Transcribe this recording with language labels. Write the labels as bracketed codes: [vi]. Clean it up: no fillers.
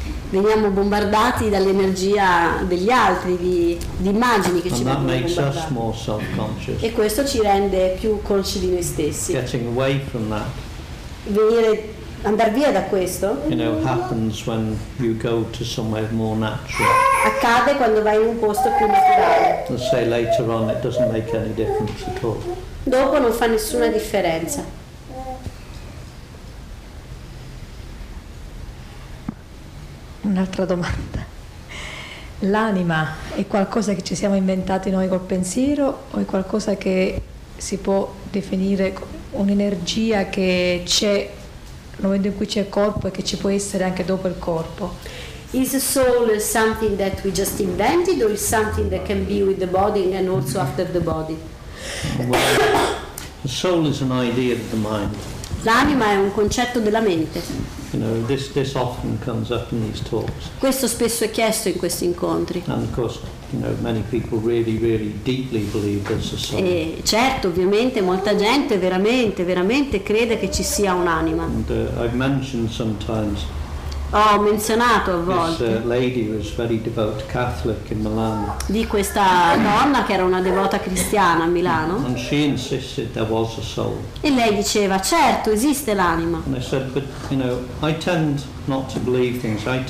[it] veniamo bombardati dall'energia degli altri, di immagini che [en] and [it] ci vengono [en] makes [it] bombardati. [en] Us more self-conscious. [it] E questo ci rende più consci di noi stessi. [en] Getting away from that. [it] Venire, andare via da questo. [en] You know, happens when you go to somewhere more natural. [it] Accade quando vai in un posto più naturale. [en] And say later on it doesn't make any difference at all. [it] Dopo non fa nessuna differenza. Un'altra domanda. L'anima è qualcosa che ci siamo inventati noi col pensiero o è qualcosa che si può definire un'energia che c'è nel momento in cui c'è il corpo e che ci può essere anche dopo il corpo? [en] Is the soul something that we just invented or is something that can be with the body and also after the body? Well, the soul is an idea of the mind. [it] L'anima è un concetto della mente. [en] You know, this often comes up in these talks. [it] Questo spesso è chiesto in questi incontri. [en] And of course, you know, many people really, really deeply believe there's a soul. [it] E certo, ovviamente, molta gente veramente, veramente crede che ci sia un'anima. [en] And, I've mentioned sometimes. [it] Ho menzionato a volte. [en] This lady was very devout Catholic in Milan. [it] Di questa donna che era una devota cristiana a Milano. [en] And she insisted there was a soul. [it] E lei diceva, certo, esiste l'anima. [en] And I said, but you know, I tend not to believe things.